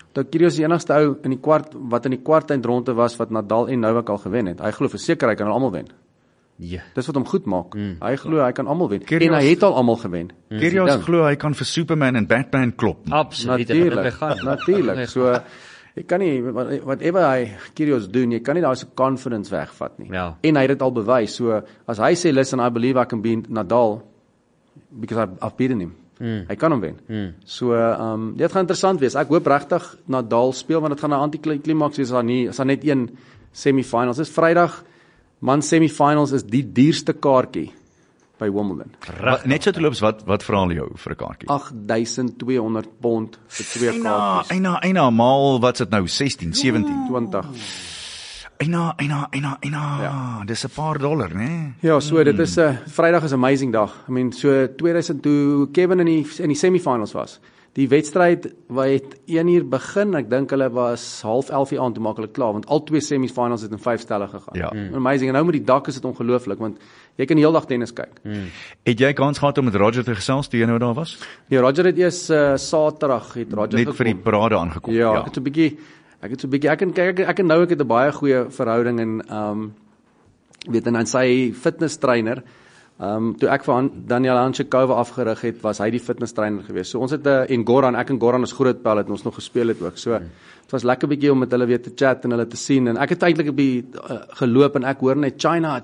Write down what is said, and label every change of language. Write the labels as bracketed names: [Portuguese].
[Afrikaans] Dat Kyrgios die enigste ou in die kwart wat in die kwart eindronde was wat Nadal en Novak al gewen het. Hy glo verseker hy kan almal wen. Ja. Yeah. Dis wat hom goed maak. Mm. Hy glo hy kan almal wen. Kyrgios, en hy het al almal gewen. Kyrgios glo hy kan vir Superman en Batman klop. Absoluut. Natuurlik. So ek kan nie whatever hy Kyrgios doen, jy kan nie daai se confidence wegvat nie. Ja. En hy het dit al bewys. So as hy sê [English] listen I believe I can beat Nadal because I've beaten him. Mm. [Afrikaans] Hy kan hom wen. So dit gaan interessant wees. Ek hoop regtig Nadal speel want dit gaan 'n anti-klimaks wees as daar net een semi-finals. Dis Vrydag. Man semi-finals is die duurste kaartjie by Wimbledon. Net so toeloops wat vra hulle jou vir 'n kaartjie? £8,200 vir twee kaartjies. Eina maal wat's dit nou 16, 17, 20. Eina, ja. Dis 'n paar dollar, né? Ja, so dit is, Vrydag is amazing dag. [English] I mean, [Afrikaans] so 2000, toe Kevin in die semifinals was, die wedstrijd, wat het 1 uur begin, ek dink hulle was 10:30 die aand, toe maak hulle klaar, want al twee semifinals het in 5 stelle gegaan. Ja. Amazing, en nou met die dak is het ongelooflik, want jy kan die hele dag tennis kyk. Het jy kans gehad om met Roger te gesels, die jy nou daar was? Nee, Roger het eers saterdag, het Roger net gekom. Vir die parade aangekom. Ja, ek het so bietjie ek het 'n baie goeie verhouding en weet en aan sy fitness trainer toe ek vir Daniel Anshekova afgerig het was hy die fitness trainer gewees. So ons het en Goran, ek en Goran is groot pal het ons nog gespeel het ook. So het was lekker bietjie om met hulle weer te chat en hulle te sien en ek het eintlik 'n bietjie geloop en ek hoor net China.